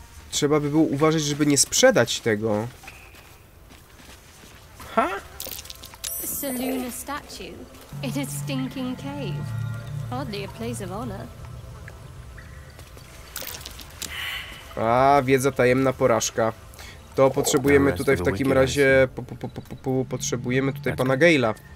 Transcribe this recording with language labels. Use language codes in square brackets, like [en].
[pl] Trzeba by było uważać, żeby nie sprzedać tego. Ha? [en] Saluna statue. It is stinking cave. Hardly a place of honor. [pl] A, wiedza tajemna, porażka. To potrzebujemy tutaj w takim razie... potrzebujemy tutaj pana Gale'a.